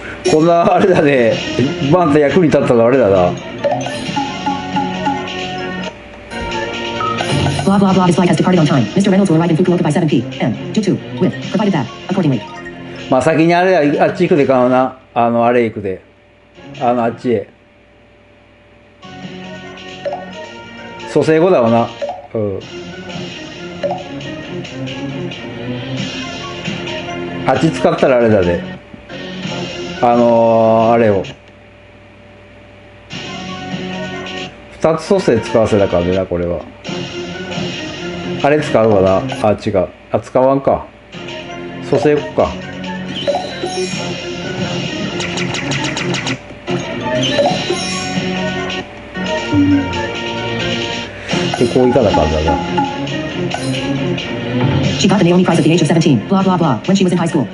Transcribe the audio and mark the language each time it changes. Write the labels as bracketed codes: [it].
[ja] こんなあれだね、バンって役に立ったのあれだな。 [en] Blah blah blah, this flight has departed on time. Mr. Reynolds will arrive in Fukuoka by 7 p.m. due to wind, provided that accordingly. [ja] まあ先にあれ、あっち行くで買うな。あのあれ行くで。あのあっちへ。蘇生後だわな。うん。あっち使ったらあれだで。あれを。二つ蘇生使わせたからね、これは。あれ使うわな。あ、違う。あ、使わんか。蘇生行こうか。で、こういかなかったな。 [en] She got the Naomi Prize at the age of 17. Blah blah blah. When she was in high school.